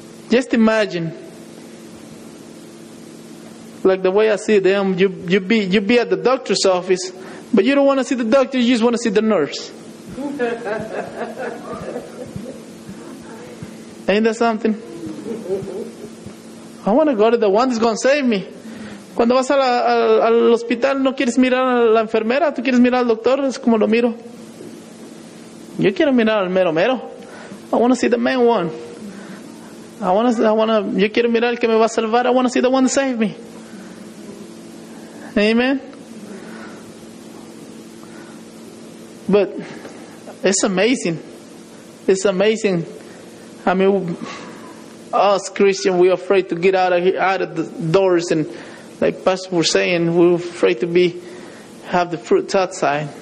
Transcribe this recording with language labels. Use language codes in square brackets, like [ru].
[en] Just imagine, like the way I see them. You be at the doctor's office, but you don't want to see the doctor. You just want to see the nurse. Ain't that something? I want to go to the one that's going to save me. [es] Cuando vas al hospital, no quieres mirar a la enfermera, tú quieres mirar al doctor, es como lo miro. Yo quiero mirar al mero mero. [en] I want to see the main one. [es] Yo quiero mirar al que me va a salvar. [en] I want to see the one that saved me. Amen. But it's amazing. It's amazing. I mean, us Christians, we're afraid to get out of the doors, and like Pastor was saying, we're afraid to have the fruits outside.